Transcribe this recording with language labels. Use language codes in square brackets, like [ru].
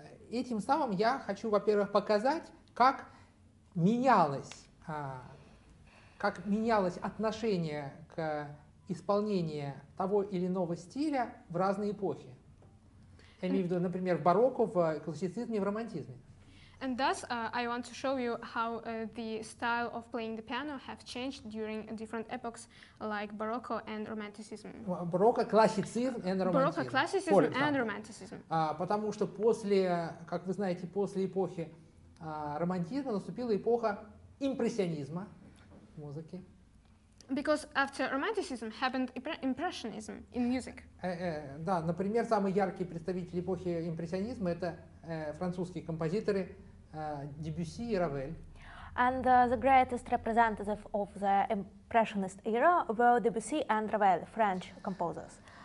[ru] Этим самым я хочу, во-первых, показать, как менялось как менялось отношение к исполнению того или иного стиля в разные эпохи. Я имею в виду, например, в барокко, в классицизме, в романтизме. [en] And thus, I want to show you how the style of playing the piano have changed during different epochs, like Baroque and Romanticism. Baroque, classicism and romanticism. Baroque, classicism For example. And romanticism. [ru] Потому что после, как вы знаете, после эпохи романтизма наступила эпоха импрессионизма музыки. [en] Because after Romanticism happened Impressionism in music. [ru] Да, например, самые яркие представители эпохи импрессионизма это французские композиторы. Дебюсси и Равель. [en] And the greatest representatives of the impressionist era were Debussy and Ravel, French composers.